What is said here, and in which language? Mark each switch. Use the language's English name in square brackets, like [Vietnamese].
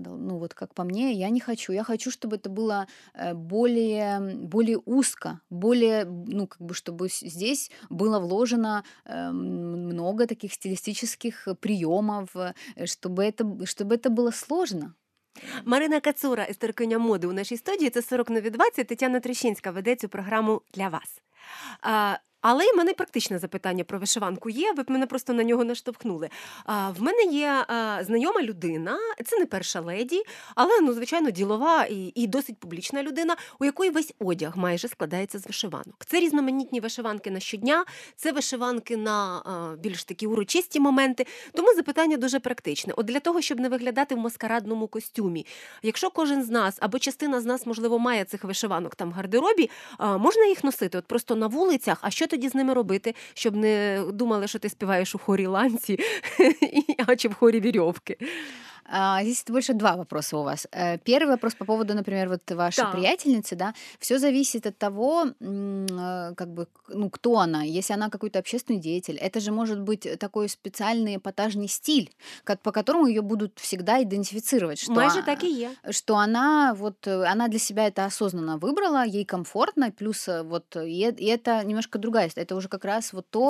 [Russian] Ну, вот как по мне, я не хочу. Я хочу, чтобы это было более узко, более, ну, как бы, чтобы здесь было вложено много таких стилистических приемов, чтобы это было сложно. [Ukrainian] Марина Кацура, історикиня моди у нашій студії, це 40 нові 20, Тетяна Трещинська веде цю програму для вас. Але в мене практичне запитання про вишиванку є, ви б мене просто на нього наштовхнули. В мене є знайома людина, це не перша леді, але, ну, звичайно, ділова і досить публічна людина, у якої весь одяг майже складається з вишиванок. Це різноманітні вишиванки на щодня, це вишиванки на більш такі урочисті моменти. Тому запитання дуже практичне. От для того, щоб не виглядати в маскарадному костюмі, якщо кожен з нас або частина з нас, можливо, має цих вишиванок там в гардеробі, можна їх носити от просто на вулицях, а що тоді з ними робити, щоб не думали, що ти співаєш у хорі ланці, а чи в хорі вірьовки? [Russian] Здесь больше два вопроса у вас. Первый вопрос по поводу, например, вот вашей приятельницы, да, все зависит от того, как бы, ну, кто она, если она какой-то общественный деятель. Это же может быть такой специальный эпатажный стиль, как, по которому ее будут всегда идентифицировать, что она, вот, она для себя это осознанно выбрала, ей комфортно, плюс вот, и это немножко другая история, это уже как раз вот то...